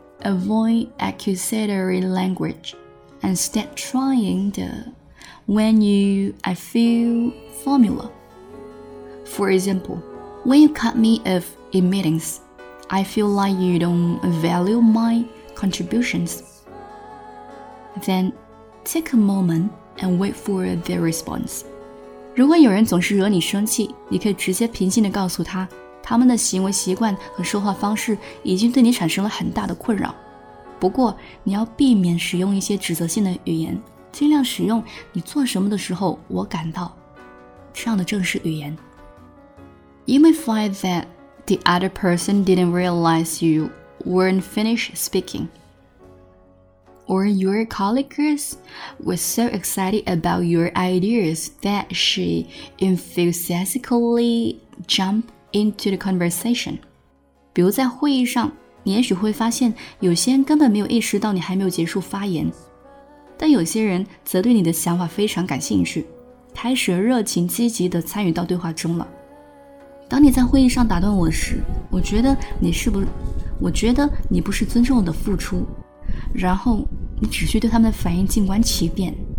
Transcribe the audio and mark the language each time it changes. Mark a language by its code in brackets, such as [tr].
[en] Avoid accusatory language and stop trying the when you I feel formula. For example, when you cut me off in meetings, I feel like you don't value mycontributions. Then take a moment and wait for their response. [zh] 如果有人总是惹你生气，你可以直接平静地告诉他，他们的行为习惯和说话方式已经对你产生了很大的困扰。不过，你要避免使用一些指责性的语言，尽量使用你做什么的时候我感到这样的正式语言。 [en] You may find that the other person didn't realize youWeren't finished speaking, or your colleagues were so excited about your ideas that she enthusiastically jumped into the conversation. [zh] 比如在会议上，你也许会发现有些人根本没有意识到你还没有结束发言，但有些人则对你的想法非常感兴趣，开始热情积极地参与到对话中了。当你在会议上打断我时，我觉得你不是尊重我的付出，然后你只需对他们的反应静观其变。